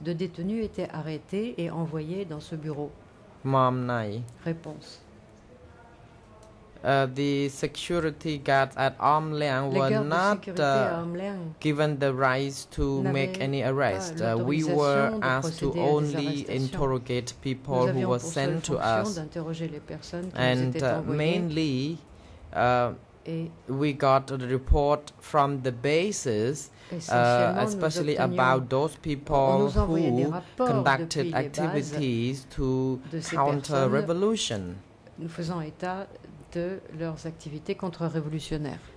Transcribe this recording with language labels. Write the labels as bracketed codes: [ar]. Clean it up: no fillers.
[fr] De détenus étaient arrêtés et envoyés dans ce bureau? Mam Nai. Réponse. [en] The security guards at Arm Leang were not given the right to make any arrest. We were asked to only interrogate people who were sent to us. And mainly, we got a report from the bases, especially about those people who conducted activities to counter revolution. [fr] Nous faisons état de leurs activités contre-révolutionnaires.